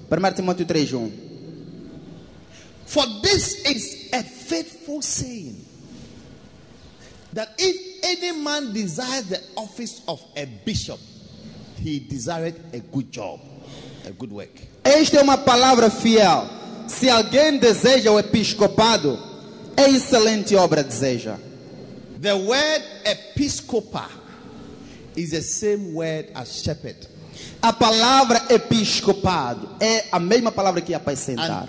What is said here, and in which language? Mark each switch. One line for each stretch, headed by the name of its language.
Portuguese: 1 Timóteo 3, 1.
English: For this is a faithful saying, that if any man desires the office of a bishop, he desires a good job, a good work.
Portuguese: Esta é uma palavra fiel. Se alguém deseja o episcopado, é excelente obra deseja.
English: The word episcopa is the same word as shepherd.
Portuguese: A palavra episcopado é a mesma palavra que apacentar.